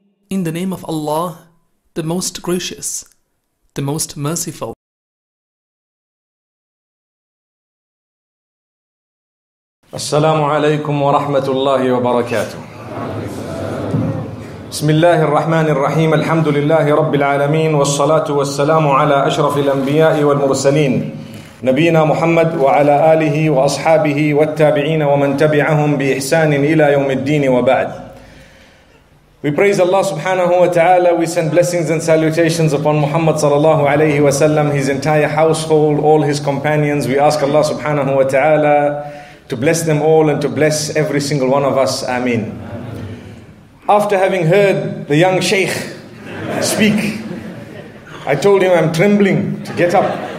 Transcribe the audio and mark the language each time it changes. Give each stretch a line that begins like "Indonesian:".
English: In the name of Allah, the Most Gracious, the Most Merciful.
Arabic: السلام عليكم ورحمة الله وبركاته. بسم الله الرحمن الرحيم. الحمد لله رب العالمين والصلاة والسلام على أشرف الأنبياء والمرسلين نبينا محمد وعلى آله وأصحابه والتابعين ومن تبعهم بإحسان إلى يوم الدين وبعد.
English: We praise Allah subhanahu wa ta'ala. We send blessings and salutations upon Muhammad sallallahu alayhi wa sallam, his entire household, all his companions. We ask Allah subhanahu wa ta'ala to bless them all and to bless every single one of us. Ameen. After having heard the young Shaykh speak, I told him I'm trembling to get up.